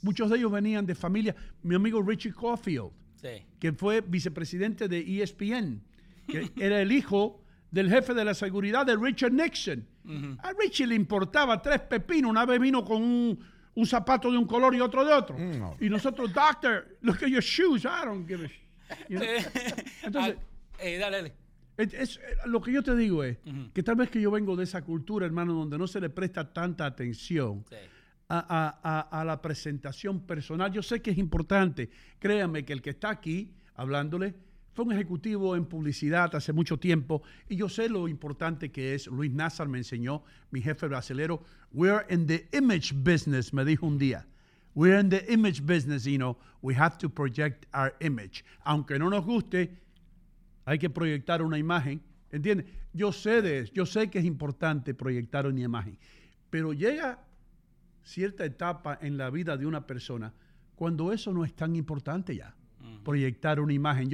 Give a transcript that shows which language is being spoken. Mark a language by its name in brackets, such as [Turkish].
[Spanish] Muchos de ellos venían de familia. Mi amigo Richie Caulfield, que fue vicepresidente de ESPN, que era el hijo del jefe de la seguridad de Richard Nixon. Uh-huh. A Richie le importaba tres pepinos. Una vez vino con un zapato de un color y otro de otro. Y nosotros, [English] doctor, look at your shoes. I don't give a shit. You know? [Spanish] Entonces, dale, dale. Lo que yo te digo es que tal vez que yo vengo de esa cultura, hermano, donde no se le presta tanta atención a la presentación personal. Yo sé que es importante. Créame que el que está aquí hablándole fue un ejecutivo en publicidad hace mucho tiempo y yo sé lo importante que es. Luis Nazar me enseñó, mi jefe brasilero, [English] we're in the image business, [Spanish] me dijo un día. [English] We're in the image business, you know, we have to project our image. [Spanish] Aunque no nos guste, hay que proyectar una imagen, ¿entiendes? Yo sé de eso, yo sé que es importante proyectar una imagen, pero llega cierta etapa en la vida de una persona cuando eso no es tan importante ya, proyectar una imagen.